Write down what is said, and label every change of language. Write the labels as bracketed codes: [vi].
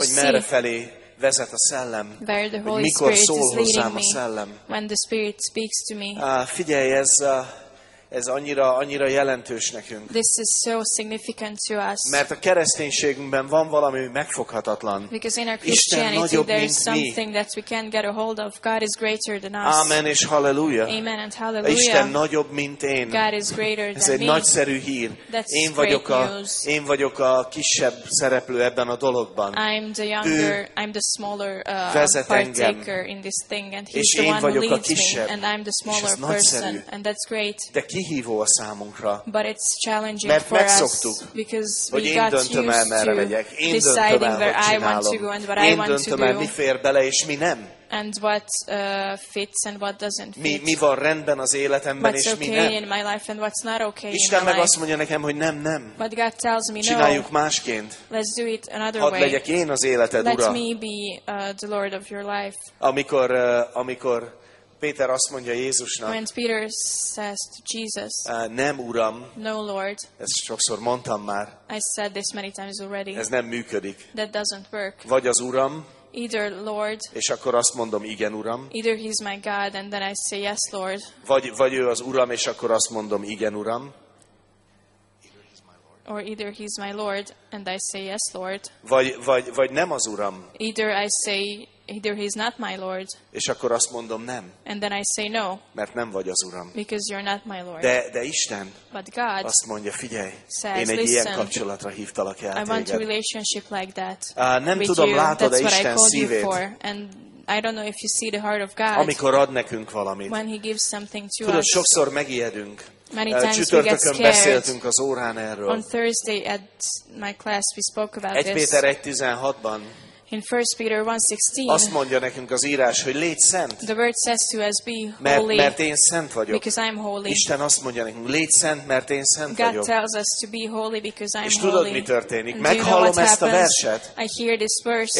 [hu] hogy merre [en] see. [hu] Felé vezet a szellem, [en] where the Holy [hu] mikor [en] Spirit [hu] szól [en] is leading [hu] a szellem. [en] Me, when the Spirit speaks to me. [hu] Figyelj, ez, ez annyira jelentős nekünk. [en] This is so significant to us. [hu] Mert a kereszténységünkben van valami megfoghatatlan. [en] Because in our Christianity there is something that we can't get a hold of. God is greater than us. [hu] Amen és halleluja. [en] Amen and hallelujah. [hu] Isten nagyobb, mint én. [en] God is greater than me. [hu] Ez egy nagyszerű hír. [en] That's [hu] én vagyok én vagyok a kisebb szereplő ebben a dologban. [en] I'm the younger, I'm the smaller partaker in this thing and he's the one who leads me and I'm the smaller person and that's great. [hu] De kihívó a számunkra. [en] But it's challenging [hu] mert [en] for [hu] megszoktuk, [en] us because [hu] hogy [en] we got [hu] döntöm el, merre megyek. Én [en] deciding [hu] döntöm el, [en] where I [hu] csinálom. [en] Want to go and what [hu] én [en] I want [hu] döntöm [en] to [hu] el, [en] do. [hu] Mi fér bele és mi nem. [en] And what fits and what doesn't fit. [hu] Mi van rendben az életemben [en] what's [hu] és [en] okay [hu] mi nem. [en] In my life and what's not okay [hu] Isten [en] in [hu] meg [en] life. [hu] Azt mondja nekem, hogy nem. [en] But God tells me, [hu] csináljuk [en] no, [hu] másként. [en] Let's do it another [hu] hadd [en] way. [hu] Legyek én az életed, [en] let [hu] Ura. [en] Me be the Lord of your life. [hu] Amikor Péter azt mondja Jézusnak. [en] When Peter says to Jesus. [hu] Nem, Uram. [en] No, Lord. [hu] Ezt sokszor mondtam már. [en] I said this many times already. [hu] Ez nem működik. [en] That doesn't work. [hu] Vagy az Uram. [en] Either Lord. [hu] És akkor azt mondom, igen, Uram. [en] Either he's my God and then I say yes, Lord. [hu] Vagy ő az Uram, és akkor azt mondom, igen, Uram. [en] Or either he's my Lord and I say yes, Lord. [hu] Vagy nem az Uram. [en] Either he's not my Lord. [hu] És akkor azt mondom, nem. [en] And then I say no. [hu] Mert nem vagy az Uram. [en] Because you're not my Lord. [hu] De Isten. [en] But God. [hu] Azt mondja, figyelj. [en] Says, [hu] én egy [en] listen, [hu] ilyen kapcsolatra hívtalak el. [en] I want a relationship like that. [hu] Nem tudom, látod Isten szívét. [en] And I don't know if you see the heart of God. [hu] Amikor ad nekünk valamit. [en] When he gives something to [hu] tudod, [en] us. [hu] Sokszor megijedünk. [en] Many times [hu] csütörtökön beszéltünk az órán erről. [en] On Thursday at my class we spoke about this. [hu] 1 Péter 1:16-ban. [en] In 1 Peter 1:16. [hu] Azt mondja nekünk az írás, hogy légy szent. [en] The word says to us be holy. [hu] Mert én szent vagyok. [en] Because I'm holy. [hu] Isten azt mondja nekünk, légy szent, mert én szent [en] God [hu] vagyok. [en] Tells us to be holy because I'm [hu] és [en] holy. [hu] Tudod, mi történik? Meghallom ezt [en] happens? [hu] A verset. [en] I hear this verse.